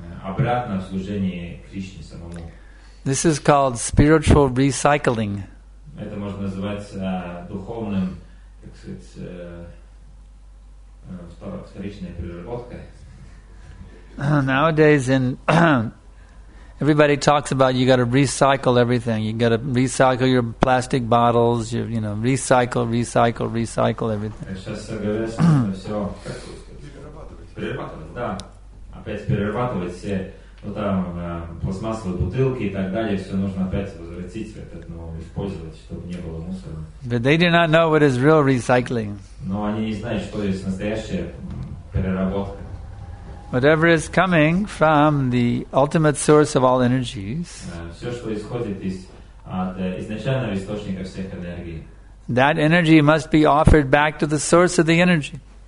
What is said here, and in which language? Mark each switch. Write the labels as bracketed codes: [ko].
[ru] Обратно в служении Кришне самому. [en] This is called spiritual recycling. [ru] Это можно называть духовным, так сказать, вторичной переработкой. [en] Nowadays, in everybody talks about you got to recycle everything. You got to recycle your plastic bottles. Recycle everything. [ru] Сейчас все говорят, что все перерабатывать. Да, опять перерабатывать все, ну там пластмассовые бутылки и так далее. Все нужно опять возвратить, использовать, чтобы не было мусора. [en] But they do not know what is real recycling. [ru] Но они не знают, что есть настоящая переработка. [en] Whatever is coming from the ultimate source of all energies, that energy must be offered back to the source of the energy.